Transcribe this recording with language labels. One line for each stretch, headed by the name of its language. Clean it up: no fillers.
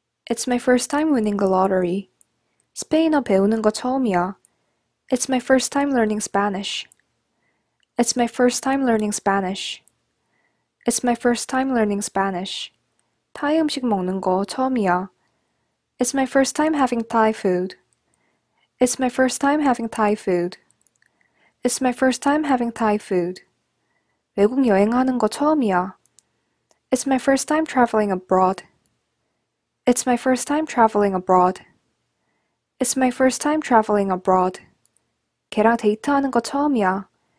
English: It's my first time winning the lottery.
Korean: 스페인어 배우는 거 처음이야.
English: It's my first time learning Spanish. It's my first time learning Spanish. It's my first time learning Spanish.
Korean: 타이 음식 먹는 거 처음이야.
English: It's my first time having Thai food. It's my first time having Thai food. It's my first time having Thai food.
Korean: 외국 여행하는 거 처음이야.
English: It's my first time traveling abroad. It's my first time traveling abroad. It's my first time traveling abroad.
Korean: 걔랑 데이트하는 거 처음이야.